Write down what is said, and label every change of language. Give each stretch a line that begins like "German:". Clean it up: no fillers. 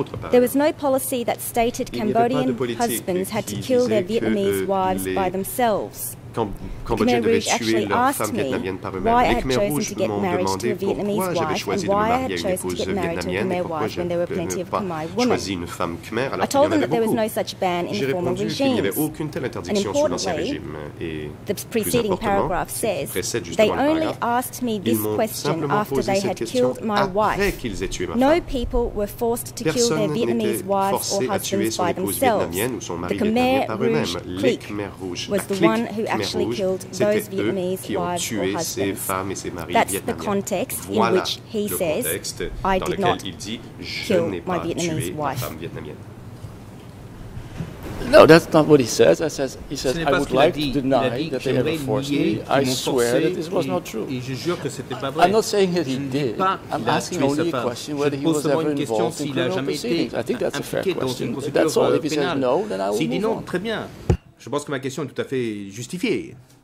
English: There was no policy that stated Cambodian husbands had to kill their Vietnamese wives by themselves.
French: Cambodgiens devaient tuer leur femme vietnamienne par eux-mêmes. Les Khmer Rouges m'ont demandé pourquoi j'avais choisi de me marier à une épouse vietnamienne et pourquoi je n'avais pas choisi une femme Khmer alors qu'il y en avait beaucoup. J'ai répondu qu'il n'y avait aucune telle interdiction sous l'ancien régime. Et plus importantement, ce qui précède justement le paragraphe, ils m'ont simplement posé cette question après qu'ils aient tué ma femme. Personne n'était forcé à tuer son épouse vietnamienne ou son mari vietnamien par eux-mêmes. Les Khmer Rouges, la clique,
English: actually killed those Vietnamese wives or husbands. That's the context in which he says, I did not kill my Vietnamese wife. No, that's not what he says. He says, I would like to deny that they ever forced me. I swear that this was not true. I'm not saying that he did. I'm asking only a question whether he was ever involved in criminal proceedings. I think that's a fair question. That's all. If he says no, then I will move on.
French: Je pense que ma question est tout à fait justifiée.